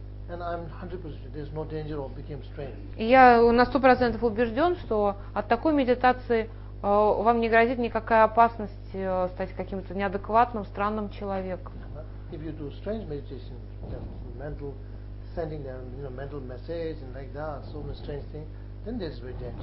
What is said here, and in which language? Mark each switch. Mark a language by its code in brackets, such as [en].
[en] And I'm 100% sure there's no danger of becoming strange. [ru] Я на 100% убежден, что от такой медитации вам не грозит никакая опасность стать каким-то неадекватным, странным человеком. [en] If you do strange meditation, mental sending them, you know, mental message and like that, so many strange things, then this is very dangerous.